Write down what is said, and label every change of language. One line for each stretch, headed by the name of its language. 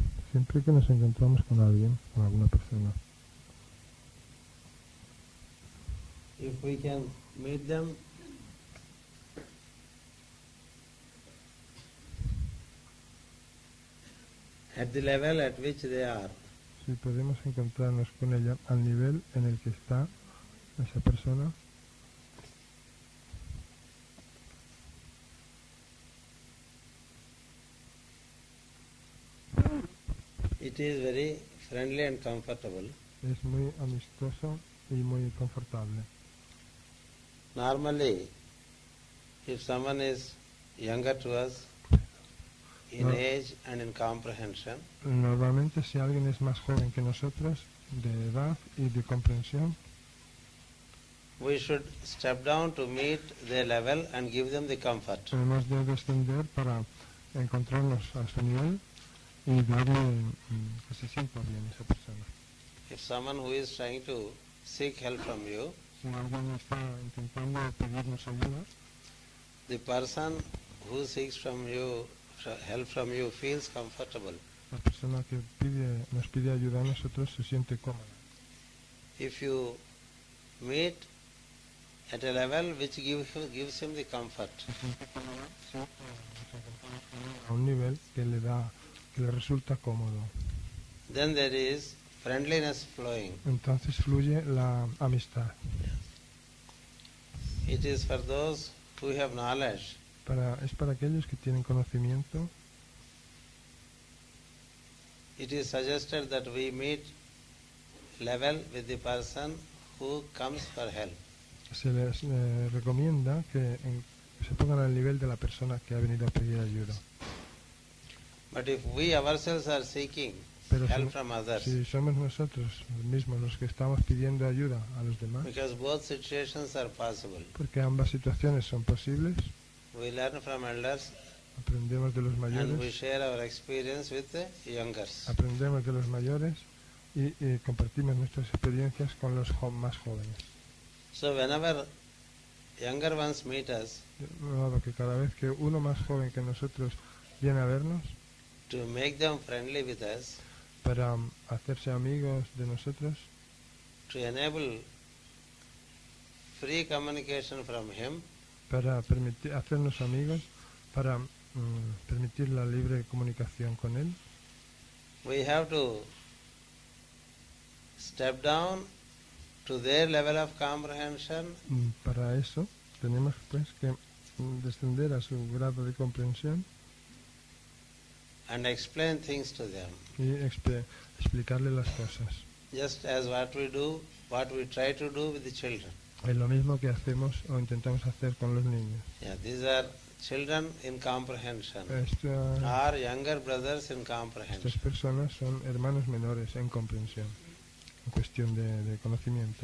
Spanish: Siempre que nos encontramos con alguien, con alguna persona.
English: If we can meet them, at the level at which they are.
Spanish: Si podemos encontrarnos con ella al nivel en el que está esa persona.
English: It is very friendly and comfortable.
Spanish: Es muy amistoso y muy confortable.
English: Normally, if someone is younger to us in age and in comprehension,
Spanish: normalmente si alguien es más joven que nosotros de edad y de comprensión,
English: we should step down to meet their level and give them the comfort.
Spanish: Hemos de descender para encontrarnos a su nivel y darle que se sienta bien esa persona.
English: If someone who is trying to seek help from you.
Spanish: Si alguien está intentando pedirnos ayuda,
English: the person who seeks from you help from you feels comfortable.
Spanish: La persona que pide, nos pide ayuda a nosotros se siente cómoda.
English: If you meet at a level which gives him the comfort.
Spanish: Se siente cómoda, a un nivel que le da, que le resulta cómodo.
English: Then there is friendliness flowing.
Spanish: Entonces fluye la amistad.
English: It is for those who have knowledge.
Spanish: Es para aquellos que tienen conocimiento.
English: It is suggested that we meet level with the person who comes for help.
Spanish: Se les recomienda que se pongan al nivel de la persona que ha venido a pedir ayuda.
English: But if we ourselves are seeking help from others.
Spanish: Si somos nosotros mismos los que estamos pidiendo ayuda a los demás,
English: because both situations are possible.
Spanish: Porque ambas situaciones son posibles.
English: We learn from elders.
Spanish: Aprendemos de los mayores.
English: And we share our experience with the youngers.
Spanish: Aprendemos de los mayores y compartimos nuestras experiencias con los más jóvenes.
English: So whenever younger ones meet us,
Spanish: claro que cada vez que uno más joven que nosotros viene a vernos,
English: to make them friendly with us,
Spanish: para hacerse amigos de nosotros,
English: to enable free communication from him,
Spanish: para permitir hacernos amigos, para permitir la libre comunicación con él,
English: we have to step down to their level of comprehension,
Spanish: para eso tenemos pues que descender a su grado de comprensión
English: and explain things to them.
Spanish: Y explicarle las cosas.
English: Just as what we do, what we try to do with the children.
Spanish: Es lo mismo que hacemos o intentamos hacer con los niños.
English: Yeah, these are children in comprehension. Our younger brothers in comprehension.
Spanish: Estas personas son hermanos menores en comprensión, en cuestión de conocimiento.